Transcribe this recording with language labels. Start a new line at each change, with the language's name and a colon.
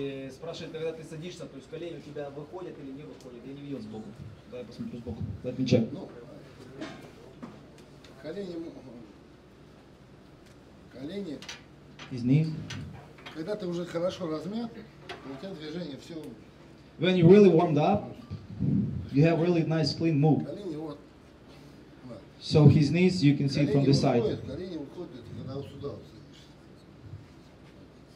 Russian: Спрашивает, когда ты садишься, то есть колени у тебя выходят или не выходят? Я не видел сбоку. Давай посмотрю сбоку.
English: Let me check.
Russian: Ну, колени... Колени...
English: His knees.
Russian: Когда ты уже хорошо размят, у тебя движение все...
English: When you really warmed up, you have really nice clean move.
Russian: Колени вот.
English: So his knees, you can see from the side.
Russian: Колени уходят, когда вот сюда вот садишься.